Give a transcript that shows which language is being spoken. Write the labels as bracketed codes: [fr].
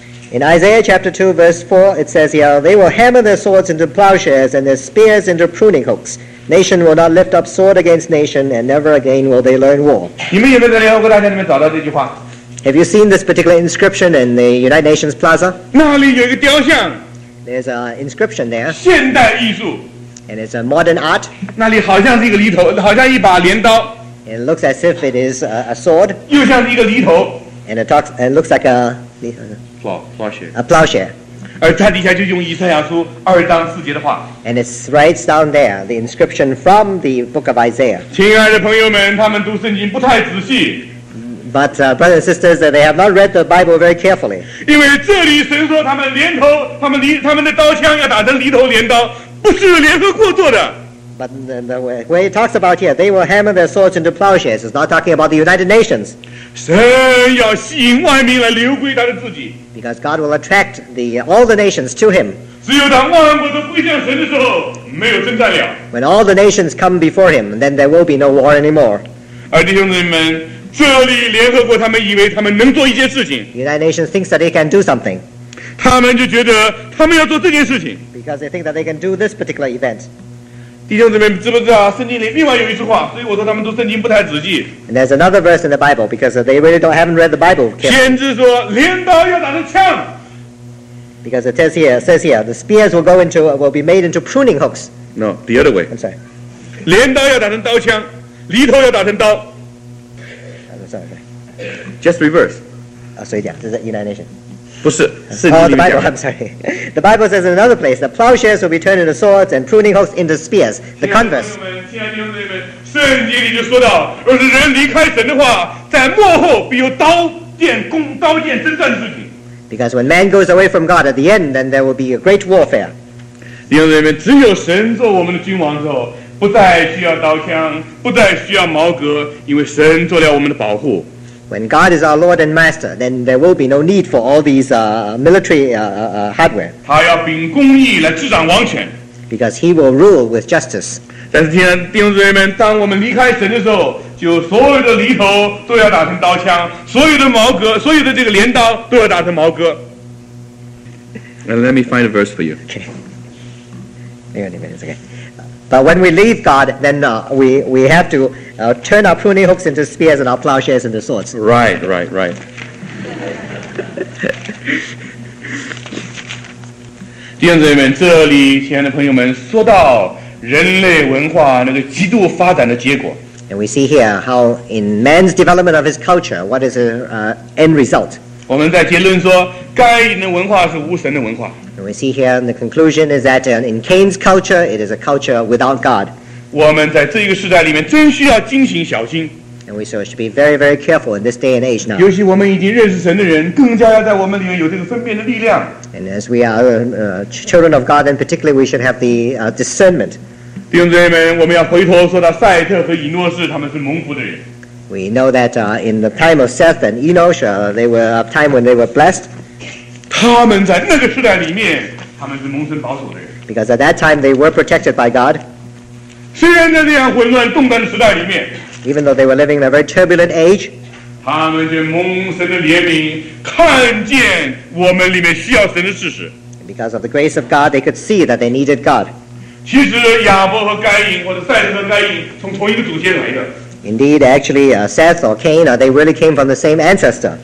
[en] In Isaiah chapter 2, verse 4, it says, yeah, they will hammer their swords into plowshares and their spears into pruning hooks. Nation will not lift up sword against nation, and never again will they learn war. [zh] 你们有没有在联合国大厦里面找到这句话？ [en] Have you seen this particular inscription in the United Nations Plaza? [zh] 那里有一个雕像。 [en] There's an inscription there. [zh] 现代艺术。 [en] And it's a modern art. [zh] 那里好像是一个犁头，好像一把镰刀。 [en] It looks as if it is a sword. [zh] 又像一个犁头。 [en] And it talks and looks like a plowshare. [zh] 而它底下就用以赛亚书二章四节的话。 [en] And it writes down there the inscription from the book of Isaiah. [zh] 亲爱的朋友们，他们读圣经不太仔细。 [en] But brothers and sisters, they have not read the Bible very carefully. [zh] 因为这里神说他们镰头，他们的刀枪要打成犁头镰刀，不是联合国做的。 [en] But the way it talks about here, they will hammer their swords into plowshares. It's not talking about the United Nations. [zh] 神要吸引万民来流归他的自己。 [en] Because God will attract all the nations to him. [zh] 只有当万国都归向神的时候，没有征战了。 [en] When all the nations come before him, then there will be no war anymore. [zh] 而弟兄姊妹们，这里联合国他们以为他们能做一件事情。 [en] United Nations thinks that they can do something. [zh] 他们就觉得他们要做这件事情。 [en] Because they think that they can do this particular event. [zh] 弟兄姊妹，知不知道圣经里另外有一句话？所以我说他们读圣经不太仔细。 [en] And there's another verse in the Bible because they really haven't read the Bible. [zh] 先知说，镰刀要打成枪。 [en] Because it says here, the spears will be made into pruning hooks. No, the other way. I'm sorry. [zh] 镰刀要打成刀枪，犁头要打成刀。 [en] Sorry. Just reverse. [zh] 所以讲，这是 United Nations。不是，圣经里面讲的。 [en] Oh, the Bible, I'm sorry. The Bible says in another place, the plowshares will be turned into swords and pruning hooks into spears. The converse. [zh] 圣经里就说到，若是人离开神的话，在末后必有刀剑争战的事情。 [en] Because when man goes away from God at the end, then there will be a great warfare. [zh] 弟兄姊妹们，只有神做我们的君王之后，不再需要刀枪，不再需要矛戈，因为神做了我们的保护。 [en] When God is our Lord and Master, then there will be no need for all these military hardware. [zh] 他要秉公义来执掌王权。 [en] Because he will rule with justice. [zh] 但是今天弟兄姊妹们，当我们离开神的时候，就所有的犁头都要打成刀枪，所有的矛戈，所有的这个镰刀都要打成矛戈。 [en] And let me find a verse for you. Okay. Hang on a minute, it's okay. But when we leave God, then we have to turn our pruning hooks into spears and our plowshares into swords. Right. [zh] 弟兄姊妹们，这里亲爱的朋友们，说到人类文化那个极度发展的结果。 [en] And we see here how in man's development of his culture, what is the end result? [zh] 我们在结论说该隐的文化是无神的文化。 [en] And we see here in the conclusion is that in Cain's culture, it is a culture without God. [zh] 我们在这个时代里面真需要警醒小心。 [en] And we should be very, very careful in this day and age now. [zh] 尤其我们已经认识神的人，更加要在我们里面有这个分辨的力量。 [en] And as we are children of God, then particularly we should have the discernment. [zh] 弟兄姊妹们，我们要回头说到赛特和以诺士，他们是蒙福的人。 [en] We know that in the time of Seth and Enosh, they were a time when they were blessed. [zh] 他们在那个时代里面，他们是蒙神保守的人。 [en] Because at that time they were protected by God. [zh] 虽然在这样混乱动荡的时代里面。 [en] Even though they were living in a very turbulent age, [zh] 他们就蒙神的怜悯，看见我们里面需要神的事实。 [en] Because of the grace of God, they could see that they needed God. [zh] 其实亚伯和该隐，或者赛特和该隐，从同一个祖先来的。 [en] Indeed, actually, Seth or Cain, they really came from the same ancestor.